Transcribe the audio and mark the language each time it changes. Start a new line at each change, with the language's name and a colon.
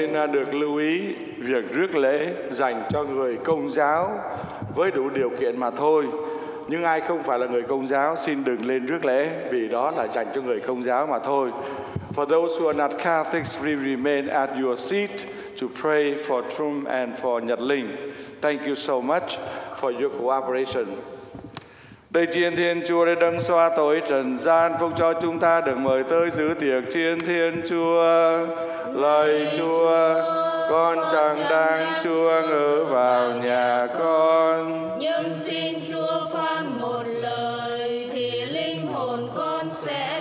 Vietnamese: Được lưu ý việc rước lễ dành cho người Công giáo với đủ điều kiện mà thôi. Nhưng ai không phải là người Công giáo xin đừng lên rước lễ, vì đó là dành cho người Công giáo mà thôi.
English: For those who are not Catholics, please remain at your seat to pray for Trung and for Nhật Linh. Thank you so much for your cooperation.
Vietnamese: Đây Chiên Thiên Chúa đã đấng xóa tội trần gian, phúc cho chúng ta được mời tới dự tiệc Chiên Thiên Chúa. Lạy Chúa, con chẳng đáng Chúa ngự vào nhà con. Nhưng xin Chúa phán một lời thì linh hồn con sẽ.